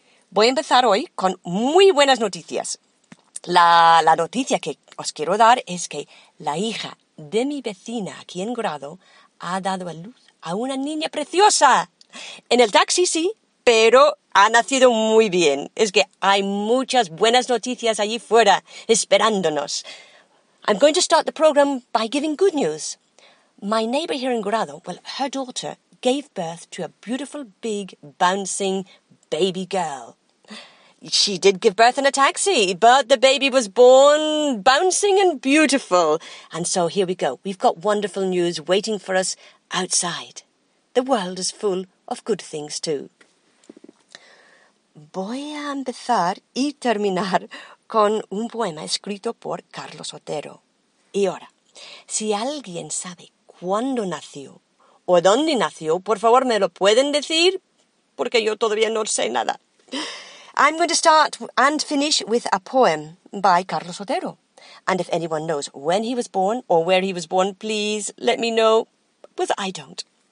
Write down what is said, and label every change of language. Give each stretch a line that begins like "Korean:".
Spanish: Voy a empezar hoy con muy buenas noticias. La noticia que os quiero dar es que la hija de mi vecina aquí en Grado ha dado a luz a una niña preciosa. En el taxi sí, pero ha nacido muy bien. Es que hay muchas buenas noticias allí fuera esperándonos.
English: I'm going to start the program by giving good news. My neighbor here in Grado, well, her daughter gave birth to a beautiful, big, bouncing baby girl. She did give birth in a taxi, but the baby was born bouncing and beautiful. And so here we go. We've got wonderful news waiting for us outside. The world is full of good things too.
Spanish: Voy a empezar y terminar con un poema escrito por Carlos Otero. Y ahora, si alguien sabe cuándo nació o dónde nació, por favor me lo pueden decir, porque yo todavía no sé nada.
English: I'm going to start and finish with a poem by Carlos Otero. And if anyone knows when he was born or where he was born, please let me know, because I don't.